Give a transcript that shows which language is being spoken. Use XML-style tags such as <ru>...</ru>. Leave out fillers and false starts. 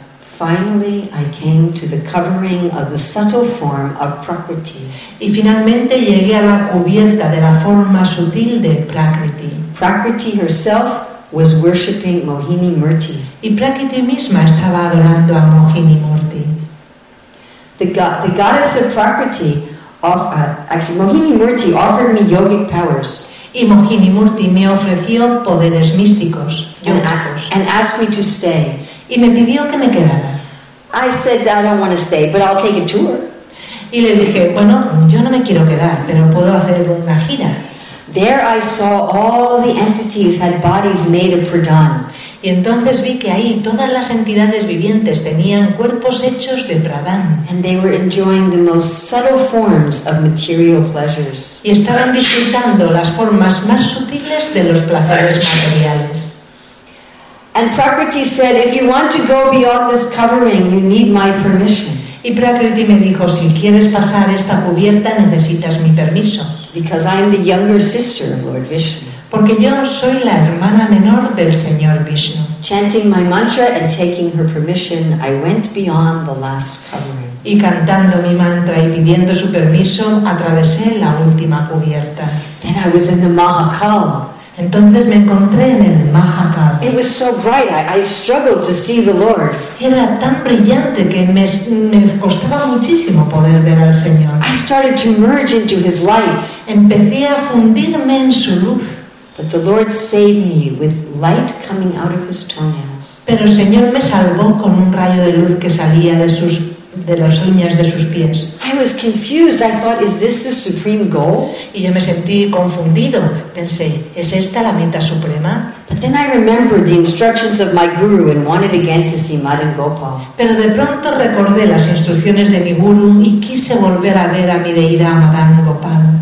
<en>Finally, I came to the covering of the subtle form of Prakriti.</en> <es>Y finalmente llegué a la cubierta de la forma sutil de Prakriti.</es> <en>Prakriti herself was worshipping Mohini Murti.</en> <es>Y Prakriti misma estaba adorando a Mohini Murti.</es> <en>The goddess of Prakriti, Mohini Murti offered me yogic powers.</en> <es>Y Mohini Murti me ofreció poderes místicos, yogicos.</es> <en>And asked me to stay.</en> <es>Y me pidió que me quedara.</es> <en>I said, I don't want to stay, but I'll take a tour.</en> <es>Y le dije, bueno, yo no me quiero quedar, pero puedo hacer una gira.</es> <en>There I saw all the entities had bodies made of pradan.</en> <es>Y entonces vi que ahí todas las entidades vivientes tenían cuerpos hechos de pradan.</es> <en>And they were enjoying the most subtle forms of material pleasures.</en> <es>Y estaban disfrutando las formas más sutiles de los placeres materiales.</es> <en>And Prakriti said, if you want to go beyond this covering, you need my permission.</en> <es>Y Prakriti me dijo, si quieres pasar esta cubierta, necesitas mi permiso.</es> <en>Because I am the younger sister of Lord Vishnu.</en> <es>Porque yo soy la hermana menor del señor Vishnu.</es> <en>Chanting my mantra and taking her permission, I went beyond the last covering.</en> <es>Y cantando mi mantra y pidiendo su permiso, atravesé la última cubierta.</es> <en>Then I was in the Mahakala.</en> <es>Entonces me encontré en el Mahakala.</es> <en>It was so bright, I struggled to see the Lord.</en> <es>Era tan brillante que me costaba muchísimo poder ver al Señor.</es> <en>I started to merge into his light.</en> <es>Empecé a fundirme en su luz.</es> <en>But the Lord saved me with light coming out of his toenails.</en> <es>Pero el Señor me salvó con un rayo de luz que salía de sus de las uñas de sus pies.</es> <en>I was confused. I thought, is this the supreme goal?</en> <es>Y yo me sentí confundido. Pensé, ¿es esta la meta suprema?</es> <en>But then I remembered the instructions of my guru and wanted again to see Madan Gopal.</en> <es>Pero de pronto recordé las instrucciones de mi guru y quise volver a ver a mi deidad Madan Gopal.</es>